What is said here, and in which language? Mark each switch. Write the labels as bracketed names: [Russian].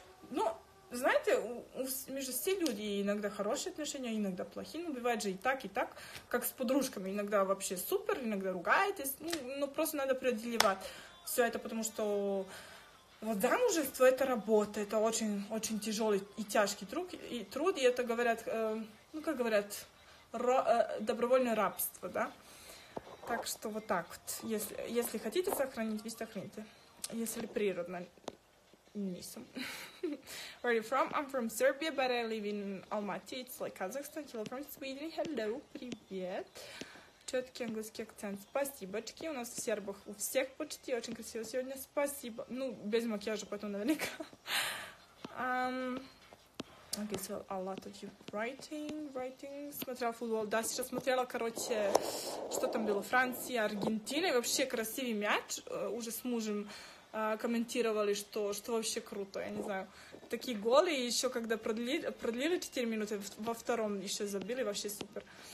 [Russian] Ну, знаете, между все люди иногда хорошие отношения, иногда плохие, но бывает же и так, как с подружками, иногда вообще супер, иногда ругаетесь, ну, просто надо преодолевать все это, потому что вот замужество — это работа, это очень, очень тяжелый и тяжкий труд, и это говорят, ну, как говорят, добровольное рабство, да, так что вот так вот, если хотите сохранить, вы сохраните, если природно. [Serbian] Nisam. [English] Where are you from? I'm from Serbia, but I live in Almaty. It's like Kazakhstan. Hello from Sweden. [Russian] Hello, привет. Четкий английский акцент. Спасибочки. У нас в сербах у всех почти. Очень красиво сегодня. Спасибо. Ну, без макияжа потом наверняка. [English] Okay, so a lot of you writing. [Russian] Смотрела футбол. Да, сейчас смотрела, короче, что там было. Франция, Аргентина. И вообще красивый мяч. Уже с мужем комментировали, что вообще круто, я не знаю. Такие голы, и еще когда продлили 4 минуты, во втором еще забили, вообще супер.